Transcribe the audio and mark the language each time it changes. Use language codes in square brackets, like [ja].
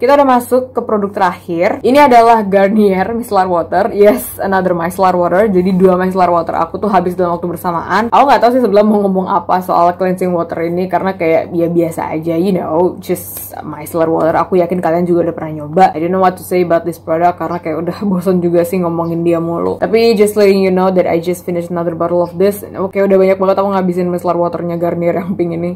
[id] Kita udah masuk ke produk terakhir. Ini adalah Garnier micellar water. [en] Yes, another micellar water. [id] Jadi dua micellar water aku tuh habis dalam waktu bersamaan. Aku nggak tahu sih sebelum mau ngomong apa soal cleansing water ini, karena kayak ya biasa aja, [en] you know, just micellar water. [id] Aku yakin kalian juga udah pernah nyoba. [en] I don't know what to say about this product [id] karena kayak udah bosan juga sih ngomongin dia mulu. Tapi [en] just letting you know that I just finished another bottle of this. [id] Oke, udah banyak banget aku ngabisin micellar waternya Garnier yang pink ini.